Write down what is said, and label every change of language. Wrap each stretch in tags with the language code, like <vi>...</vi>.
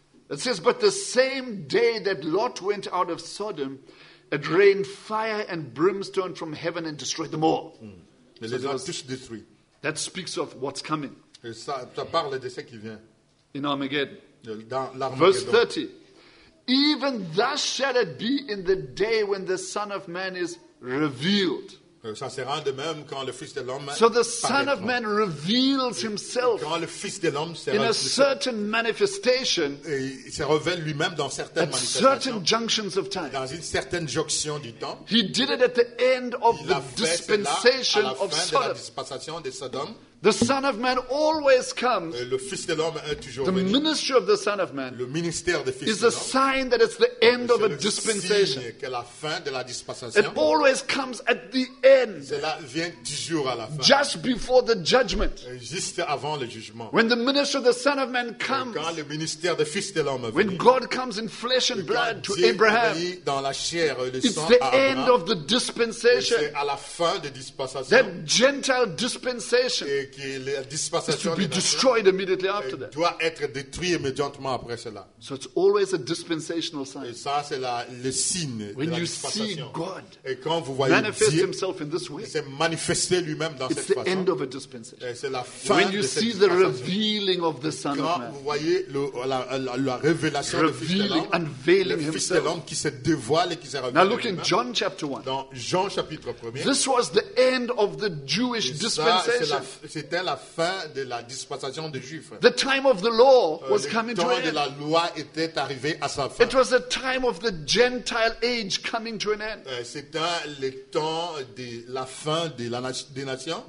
<en>It says, but the same day that Lot went out of Sodom, it rained fire and brimstone from heaven and destroyed them all. That speaks of what's coming.</en> <fr>Ça parle de ce qui vient.</fr> <en>In Armageddon.</en> <fr>Dans</fr> <en>verse 30. Even thus shall it be in the day when the Son of Man is revealed.</en> <fr>Ça sera de même quand le Fils de l'homme</fr> <en>so the Son of Man reveals himself</en> <fr>quand le Fils de l'homme sera</fr> <en>in a certain manifestation</en> <fr>et il se révèle lui-même dans certaines</fr> <en>at certain junctions of time.</en> <fr>Dans une certaine jonction du temps.</fr> <en>He did it at the end of</en> <fr>il</fr> <en>the dispensation</en> <fr>à la fin</fr> <en>of Sodom.</en> <fr>De la dispensation de Sodome.</fr> <en>The Son of Man always comes.</en> <fr>Le Fils de l'homme est toujours</fr> <en>the</en> <fr>venu.</fr> <en>Ministry of the Son of Man</en> <fr>le ministère de Fils</fr> <en>is</en> <fr>de l'homme.</fr> <en>A sign that it's the end</en> <fr>c'est</fr> <en>of a dispensation.</en> <fr>Signe que la fin de la dispensation.</fr> <en>It always comes at the end.</en> <fr>Cela vient toujours à la fin.</fr> <en>Just before the judgment.</en> <fr>Juste avant le jugement.</fr> <en>When the ministry of the Son of Man comes.</en> <fr>Quand le ministère de Fils de l'homme vient.</fr> <en>When God comes in flesh and blood to Abraham.</en> <fr>Dieu vient dans la chair et le sang à Abraham.</fr> <en>It's the end of the dispensation.</en> <fr>C'est à la fin de dispensation.</fr> <en>That Gentile dispensation.</en> <fr>Et la dispensation</fr> <en>to be destroyed immediately after that.</en> <fr>Doit être détruit immédiatement après cela.</fr> <en>So it's always a dispensational sign.</en> <fr>Et ça, c'est le signe</fr> <en>when</en> <fr>de la</fr> <en>you</en> <fr>dispensation.</fr> <en>See God</en> <fr>et quand vous voyez</fr> <en>manifest</en> <fr>Dieu,</fr> <en>himself in this way,</en> <fr>il s'est manifesté lui-même dans</fr> <en>it's</en> <fr>façon.</fr> <en>End of a dispensation.</en> <fr>Et c'est la fin</fr> <en>when you</en> <fr>de</fr> <en>see</en> <fr>cette</fr> <en>the revealing of the Son</en> <fr>quand</fr> <en>of Man,</en> <fr>vous voyez la révélation</fr> <en>revealing,</en> <fr>de Fils de l'homme, le Fils de l'homme qui se dévoile et qui se révèle.</fr> <en>Now look in John chapter 1.</en> <fr>Dans Jean chapitre 1.</fr> <en>This was the end of the Jewish</en> <fr>ça,</fr> <en>dispensation.</en> <fr>C'était la fin de la dispensation des Juifs.</fr> <en>The time of the law was coming to an end.</en> <fr>Le temps de la loi était arrivé à sa fin.</fr> <en>It was a time of the Gentile age coming to an end.</en> <fr>C'était le temps de la fin des nations.</fr>